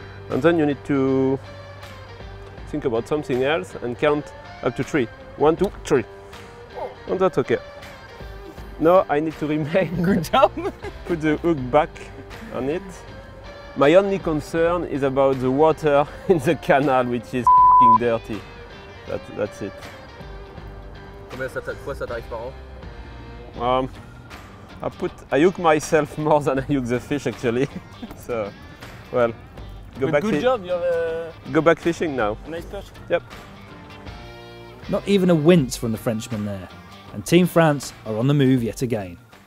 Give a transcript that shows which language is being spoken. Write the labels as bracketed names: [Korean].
[English] And then you need to think about something else and count up to three. One, two, three. And that's okay. Now I need to remain. Good job. Put the hook back on it. My only concern is about the water in the canal, which is f***ing dirty. That's it. [French] Combien ça t'arrive, quoi ça t'arrive par an? [English] I hook myself more than I hook the fish, actually. So, well, go but back. Good job, you're. Go back fishing now. Nice perch. Yep. Not even a wince from the Frenchman there, and Team France are on the move yet again.